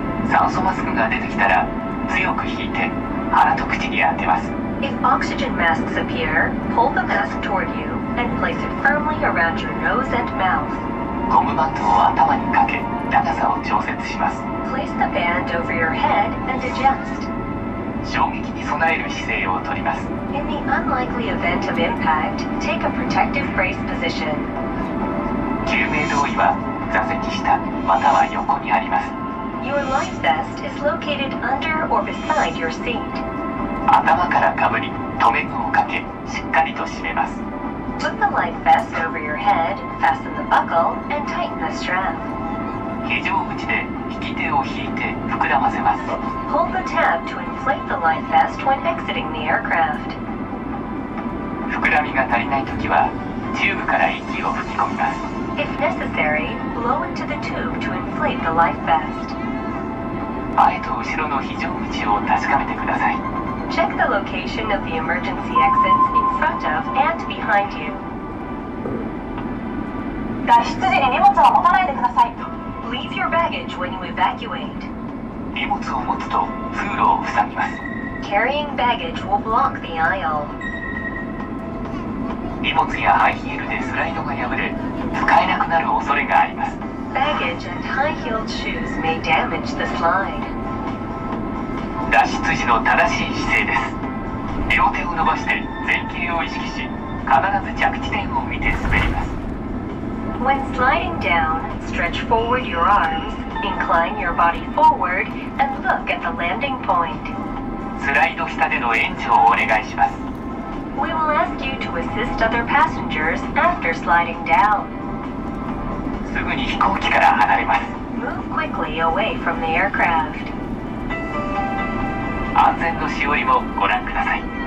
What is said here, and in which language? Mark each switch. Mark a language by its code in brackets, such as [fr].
[ja] 酸素マスクが出てきたら強く引いて鼻と口に当てます。 [en] If oxygen masks appear, pull the mask toward you and place it firmly around your nose and mouth. [ja] ゴムバンドを頭にかけ高さを調節します。 [en] Place the band over your head and adjust. [ja] 衝撃に備える姿勢をとります。 [en] In the unlikely event of impact, take a protective brace position. [ja] 救命胴衣は座席下または横にあります。 [en] Your life vest is located under or beside your seat. [ja] 頭からかぶり、留め具をかけ、しっかりと締めます。 [en] Put the life vest over your head, fasten the buckle, and tighten the strap. [ja] 非常口で引き手を引いて膨らませます。 [en] Hold the tab to inflate the life vest when exiting the aircraft. [ja] 膨らみが足りないときは、チューブから息を吹き込みます。 [en] If necessary, blow into the tube to inflate the life vest. [ja] 前と後ろの非常口を確かめてください。 [en] Check the location of the emergency exits in front of and behind you. [ja] 脱出時に荷物は持たないでください。 [en] Leave your baggage when you evacuate. [ja] 荷物を持つと通路を塞ぎます。 [en] Carrying baggage will block the aisle. [ja] 荷物やハイヒールでスライドが破れ、使えなくなる恐れがあります。 [en] Baggage and high-heeled shoes may damage the slide. [ja] 脱出時の正しい姿勢です。両手を伸ばして前傾を意識し、必ず着地点を見て滑ります。 [en] When sliding down, stretch forward your arms, incline your body forward, and look at the landing point. [ja] スライド下での援助をお願いします。 [en] We will ask you to assist other passengers after sliding down. [ja] すぐに飛行機から離れます。 [en] Move quickly away from the aircraft. [ja] 安全のしおりもご覧ください。